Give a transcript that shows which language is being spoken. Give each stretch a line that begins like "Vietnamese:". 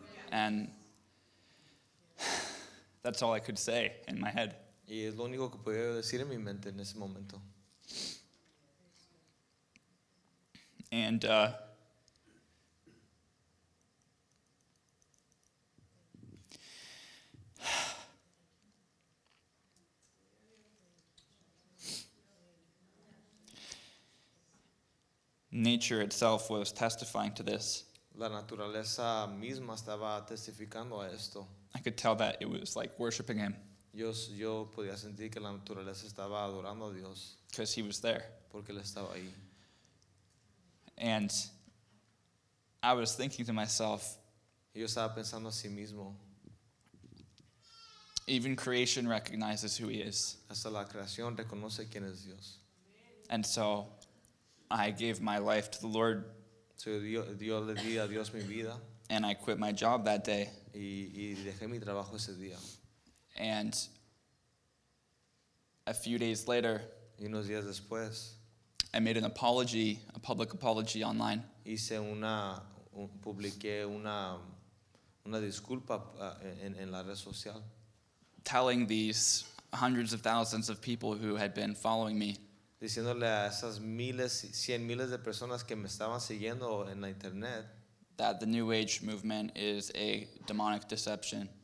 English: And that's all I could say in my head.
Spanish: Y es lo único que podía decir en mi mente en ese momento.
English: And nature itself was testifying to this.
Spanish: La naturaleza misma estaba testificando a esto.
English: I could tell that it was like worshiping him.
Spanish: Yo podía sentir que la naturaleza estaba adorando a Dios.
English: Because he was there.
Spanish: Porque él estaba ahí.
English: And I was thinking to myself,
Spanish: yo estaba pensando a sí mismo,
English: even creation recognizes who he is.
Spanish: Hasta la creación reconoce quién es Dios.
English: And so I gave my life to the Lord.
Spanish: So yo le di a Dios mi vida.
English: And I quit my job that day.
Spanish: Y dejé mi trabajo ese día.
English: And a few days later,
Spanish: y unos días después,
English: I made an apology, a public apology online.
Spanish: Hice publiqué una disculpa en la red social.
English: Telling these hundreds of thousands of people who had been following me.
Spanish: Diciéndole a esas miles, cien miles de personas que me estaban siguiendo en la internet.
English: That the New Age movement is a demonic deception.